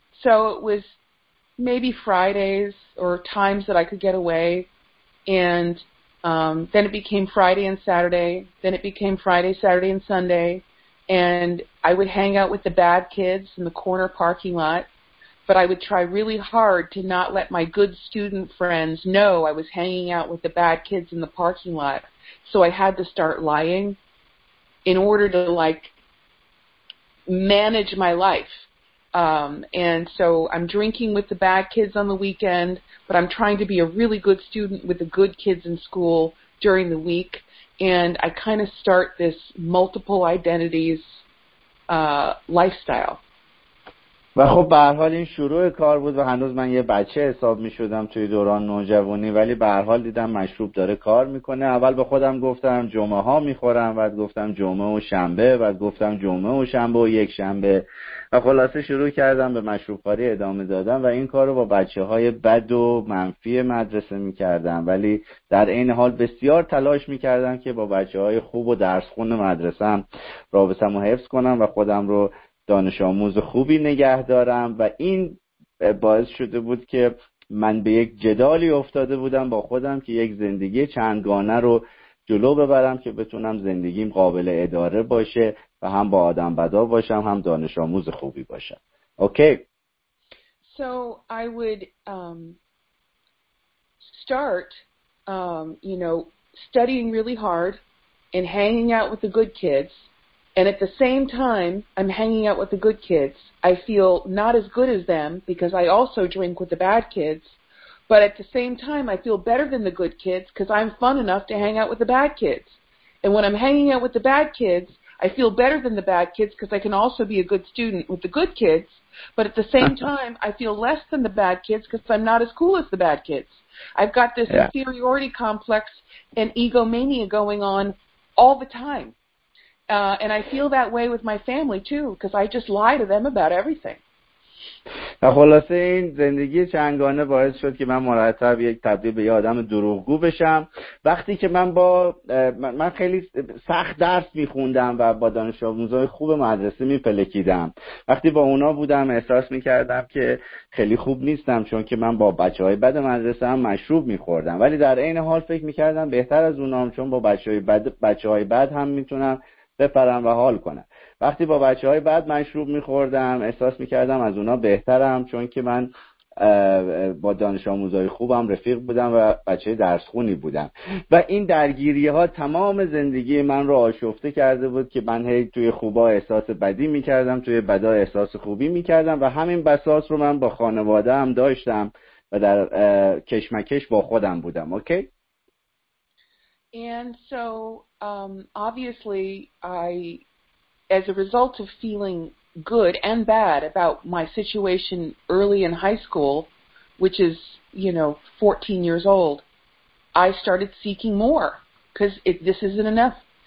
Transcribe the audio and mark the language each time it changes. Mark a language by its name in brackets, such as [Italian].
[English] So it was maybe Fridays or times that I could get away and then it became Friday and Saturday, then it became Friday, Saturday and Sunday, and I would hang out with the bad kids in the corner parking lot, but I would try really hard to not let my good student friends know I was hanging out with the bad kids in the parking lot, so I had to start lying in order to, like, manage my life. And so I'm drinking with the bad kids on the weekend, but I'm trying to be a really good student with the good kids in school during the week. And I kind of start this multiple identities lifestyle. [Persian] و خب به هر حال این شروع کار بود و هنوز من یه بچه حساب می‌شدم توی دوران نوجوانی، ولی به هر حال دیدم مشروب داره کار می‌کنه. اول به خودم گفتم جمعه ها می‌خورم، بعد گفتم جمعه و شنبه، بعد گفتم جمعه و شنبه و یک شنبه، و خلاصه شروع کردم به مشروب‌خواری ادامه دادم و این کارو با بچه‌های بد و منفی مدرسه می‌کردم، ولی در این حال بسیار تلاش می‌کردم که با بچه‌های خوب و درس‌خون مدرسه‌ام رابطه‌مو حفظ کنم و خودم رو دانش آموز خوبی نگه دارم، و این باعث شده بود که من به یک جدالی افتاده بودم با خودم که یک زندگی چندگانه رو جلو ببرم که بتونم زندگیم قابل اداره باشه و هم با آدم بدا باشم هم دانش آموز خوبی باشم. [English] Okay. So I would start you know studying really hard and hanging out with the good kids. And at the same time I'm hanging out with the good kids, I feel not as good as them because I also drink with the bad kids. But at the same time, I feel better than the good kids because I'm fun enough to hang out with the bad kids. And when I'm hanging out with the bad kids, I feel better than the bad kids because I can also be a good student with the good kids. But at the same time, I feel less than the bad kids because I'm not as cool as the bad kids. I've got this inferiority complex and egomania going on all the time. And I feel that way with my family too, because I just lie to them about everything. [Persian] خلاصه این زندگی چندگانه باعث شد که من مرتب یک تبدیل به یه آدم دروغگو بشم. وقتی که من خیلی سخت درس میخوندم و با دانش آموزای خوب مدرسه میپلکیدم، وقتی با اونا بودم احساس میکردم که خیلی خوب نیستم، چون که من با بچه های بد مدرسه هم مشروب میخوردم، ولی در این حال فکر میکردم بهتر از اونام، چون با بچه های بد هم میتونم بپرم و حال کنم. وقتی با بچه های بعد مشروب میخوردم احساس میکردم از اونا بهترم، چون که من با دانش آموزای خوبم رفیق بودم و بچه درس خونی بودم، و این درگیری ها تمام زندگی من رو آشفته کرده بود که من هی توی خوبا احساس بدی میکردم، توی بدا احساس خوبی میکردم، و همین بساط رو من با خانواده هم داشتم و در کشمکش با خودم بودم. [English] Okay? And so, obviously, I, as a result of feeling good and bad about my situation early in high school, which is, you know, 14 years old, I started seeking more, because this isn't enough.